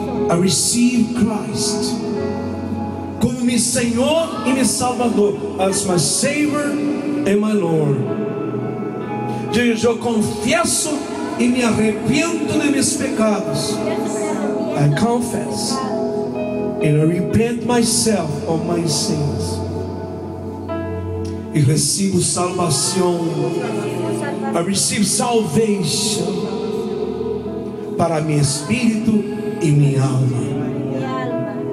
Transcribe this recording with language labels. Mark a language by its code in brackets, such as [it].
[en] I receive [pt] Christ como meu Senhor e meu Salvador. [en] As my Savior and my Lord. [pt] Diga, eu confesso e me arrependo de meus pecados. [en] I confess and I repent myself of my sins. [pt] E recebo salvação. [en] I receive salvation [pt] para meu espírito e minha alma.